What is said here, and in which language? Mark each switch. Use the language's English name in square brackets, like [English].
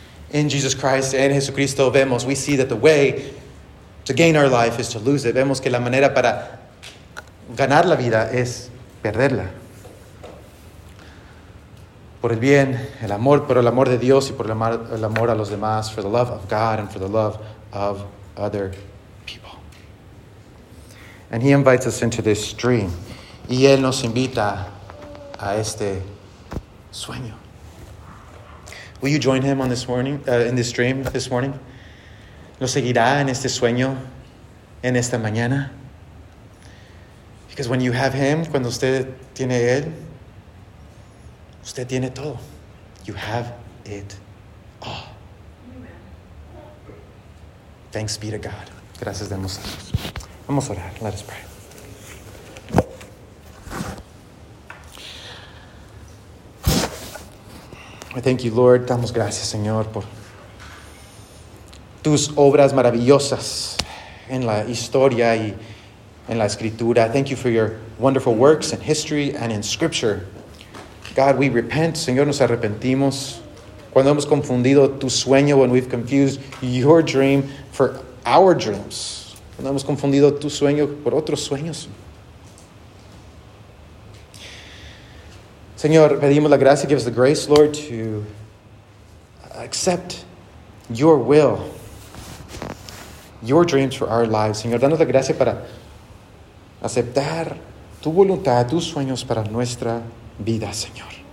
[English] In Jesus Christ, [Spanish] en Jesucristo, vemos, [English] we see that the way to gain our life is to lose it. [Spanish] Vemos que la manera para ganar la vida es perderla. Por el bien, el amor, por el amor de Dios y por el amor a los demás, [English] for the love of God and for the love of other people. And he invites us into this dream. [Spanish] Y él nos invita a este sueño. [English] Will you join him on this morning, in this dream this morning? [Spanish] ¿Lo seguirá en este sueño en esta mañana? [English] Because when you have him, [Spanish] cuando usted tiene él, usted tiene todo. [English] You have it all. Amen. Thanks be to God. [Spanish] Gracias demos a Dios. Vamos a orar. [English] Let us pray. I thank you, Lord. [Spanish] Damos gracias, Señor, por tus obras maravillosas en la historia y en la escritura. [English] Thank you for your wonderful works in history and in scripture. God, we repent. [Spanish] Señor, nos arrepentimos. Cuando hemos confundido tu sueño, [English] when we've confused your dream for our dreams. Cuando hemos confundido tu sueño por otros sueños. Señor, pedimos la gracia. Give us the grace, Lord, to accept your will, your dreams for our lives. [Spanish] Señor, danos la gracia para aceptar tu voluntad, tus sueños para nuestra vida, Señor.